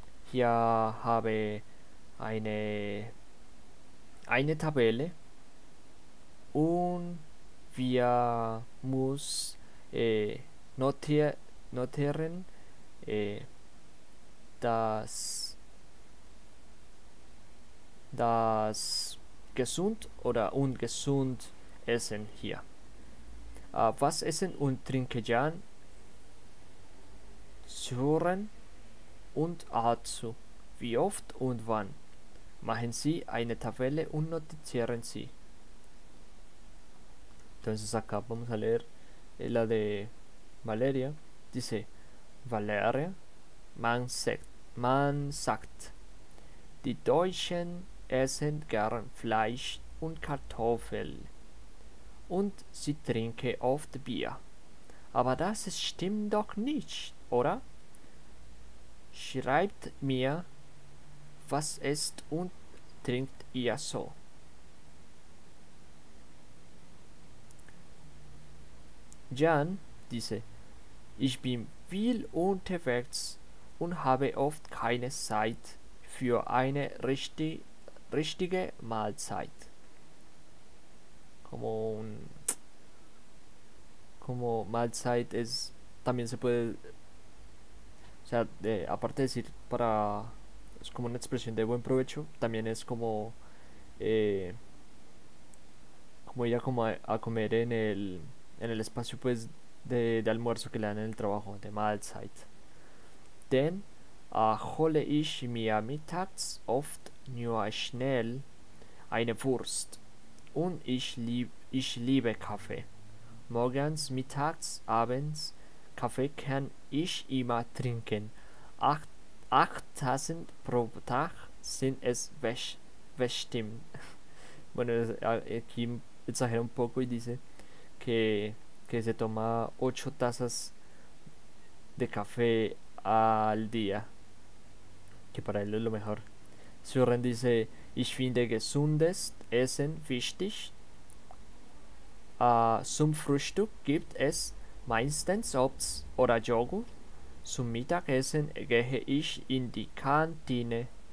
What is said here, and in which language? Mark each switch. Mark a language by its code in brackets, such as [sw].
[de] Hier habe eine Tabelle und wir muss notieren das gesund oder ungesund Essen hier. Was essen und trinke Jan? Zuhören und dazu. Wie oft und wann? Machen Sie eine Tabelle und notizieren Sie. [es] Entonces acá vamos a leer la de Valeria. [de] Dice, Valeria, man sagt, die Deutschen essen gern Fleisch und Kartoffeln und sie trinken oft Bier. Aber das stimmt doch nicht, oder? Schreibt mir, was esst und trinkt ihr so? Jan, diese, ich bin viel unterwegs und habe oft keine Zeit für eine richtige Mahlzeit. [es] Como Mahlzeit es, también se puede, o sea, aparte de decir para... Es como una expresión de buen provecho. También es como... como ir a comer en el espacio, pues, de almuerzo que le dan en el trabajo. De Mahlzeit. [de] Denn hole ich mir mittags oft nur schnell eine Wurst. Und ich liebe Kaffee. Morgens, mittags, abends Kaffee kann ich immer trinken. 8 Tassen pro Tag sind es bestimmt. [es] Bueno, aquí exagera un poco y dice que se toma 8 tazas de café al día. Que para él es lo mejor. [de] Sören dice, ich finde gesundes Essen wichtig. Zum Frühstück gibt es Meistens Obst oder Joghurt. Zum Mittagessen gehe ich in die Kantine.